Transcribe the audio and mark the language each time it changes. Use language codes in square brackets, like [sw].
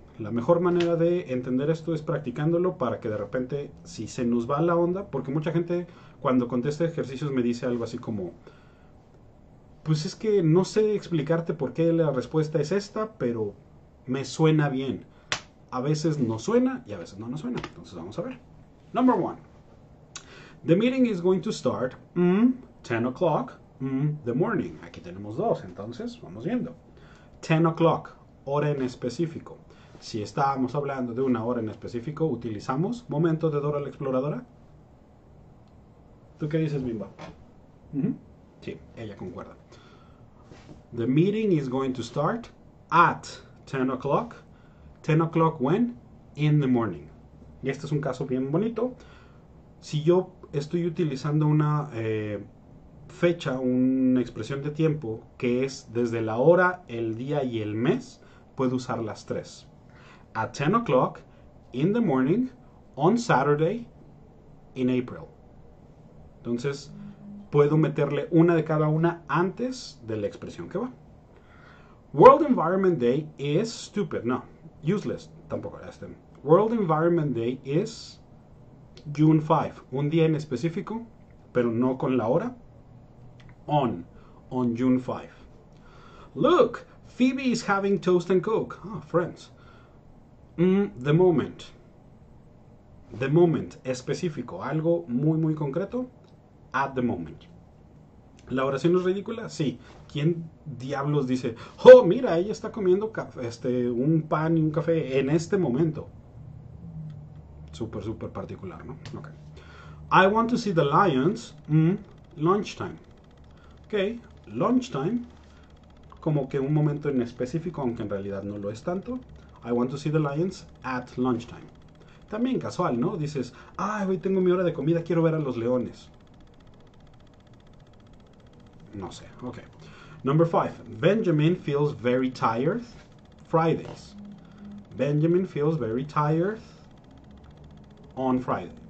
[es] La mejor manera de entender esto es practicándolo para que de repente, si se nos va la onda, porque mucha gente cuando contesta ejercicios me dice algo así como: pues es que no sé explicarte por qué la respuesta es esta, pero me suena bien. A veces no suena y a veces no nos suena. Entonces vamos a ver. [en] Number one. The meeting is going to start 10 o'clock the morning. [es] Aquí tenemos dos, entonces vamos viendo. 10 o'clock, hora en específico. Si estábamos hablando de una hora en específico, utilizamos momento de Dora la Exploradora. ¿Tú qué dices, Bimba? Sí, ella concuerda. [en] The meeting is going to start at 10 o'clock. 10 o'clock when? In the morning. [es] Y este es un caso bien bonito. Si yo estoy utilizando una fecha, una expresión de tiempo que es desde la hora, el día y el mes, puedo usar las tres. [en] At 10 o'clock, in the morning, on Saturday, in April. [es] Entonces, puedo meterle una de cada una antes de la expresión que va. [en] World Environment Day is stupid. No, useless. [es] Tampoco era este. [en] World Environment Day is June 5. [es] Un día en específico, pero no con la hora. [en] On June 5. Look, Phoebe is having toast and coke. Ah, oh, friends. The moment. The moment. Específico. [es] Algo muy, muy concreto. [en] At the moment. [es] ¿La oración es ridícula? Sí. ¿Quién diablos dice: oh, mira, ella está comiendo café, un pan y un café en este momento? Súper, súper particular, ¿no? [en] Ok. I want to see the lions. Lunchtime. Ok. Lunchtime. [es] Como que un momento en específico, aunque en realidad no lo es tanto. [en] I want to see the lions at lunchtime. [es] También casual, ¿no? Dices: ay, hoy tengo mi hora de comida, quiero ver a los leones. No sé. [en] Ok. Number five. Benjamin feels very tired. Fridays. Benjamin feels very tired on Friday.